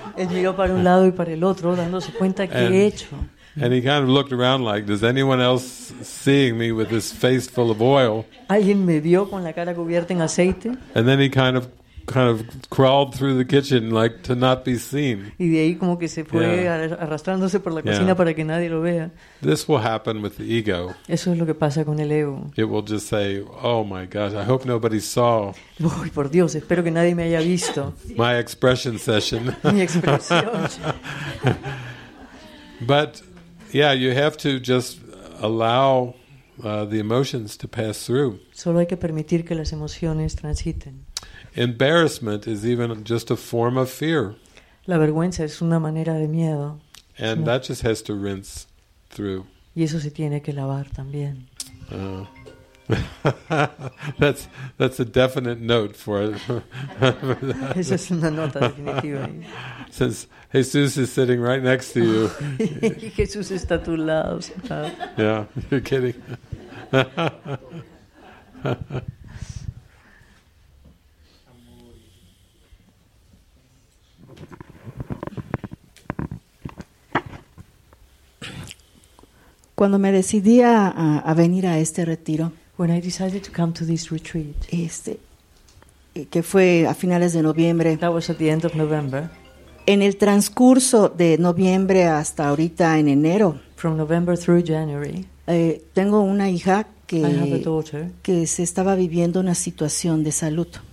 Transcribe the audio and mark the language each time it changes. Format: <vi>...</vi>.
<es>Él miró para un lado y para el otro, dándose cuenta qué he hecho.</es> <en>And he kind of looked around like, does anyone else seeing me with this face full of oil?</en> <es>¿Alguien me vio con la cara cubierta en aceite?</es> <en>And then he kind of crawled through the kitchen like to not be seen.</en> <es>Y de ahí como que se fue arrastrándose por la cocina para que nadie lo vea.</es> <en>This will happen with the ego.</en> <es>Eso es lo que pasa con el ego.</es> <en>It will just say, oh my gosh, I hope nobody saw.</en> <es>Uy, por Dios, espero que nadie me haya visto.</es> <en>My expression session.</en> <es>Mi expresión.</es> <en>But yeah, you have to just allow the emotions to pass through.</en> <es>Solo hay que permitir que las emociones transiten.</es> <en>Embarrassment is even just a form of fear.</en> <es>La vergüenza es una manera de miedo.</es> <en>And that just has to rinse through.</en> <es>Y eso se tiene que lavar también.</es> <en>that's a definite note for it.</en> <es>Esa es una nota definitiva.</es> <en>Since Jesus is sitting right next to you.</en> <es>Y Jesús está a tu lado.</es> <en>Yeah, you're kidding.</en> <es>Cuando me decidí a venir a este retiro,</es> <en>when I decided to come to this retreat,</en> <es>que fue a finales de noviembre,</es> <en>that was at the end of November,</en> <es>en el transcurso de noviembre hasta ahorita en enero,</es> <en>from November through January,</en> <es>tengo una hija que,</es> <en>I have a daughter,</en> <es>que se estaba viviendo una situación de salud,</es>